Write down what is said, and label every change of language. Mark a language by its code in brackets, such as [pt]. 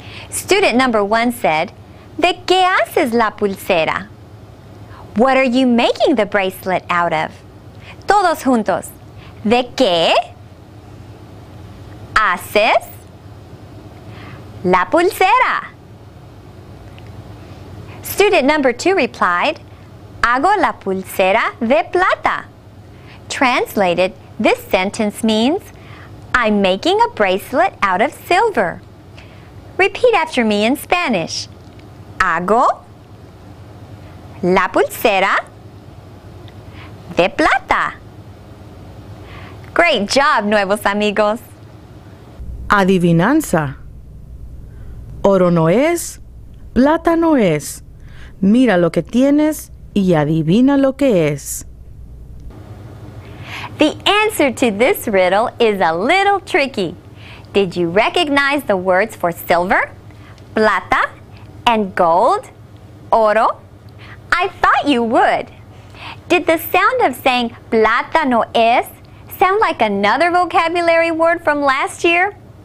[en] Student number one said, [es] ¿De qué haces la pulsera? [en] What are you making the bracelet out of? [es] Todos juntos. ¿De qué haces la pulsera? [en] Student number two replied, [es] Hago la pulsera de plata. [en] Translated, this sentence means, I'm making a bracelet out of silver. Repeat after me in Spanish. [es] Hago la pulsera de plata. [en] Great job, [es] nuevos amigos. Adivinanza. Oro no es, plata no es. Mira lo que tienes y adivina lo que es. [en] The answer to this riddle is a little tricky. Did you recognize the words for silver, plata and gold, oro? I thought you would. Did the sound of saying [es] plata no es [en] sound like another vocabulary word from last year?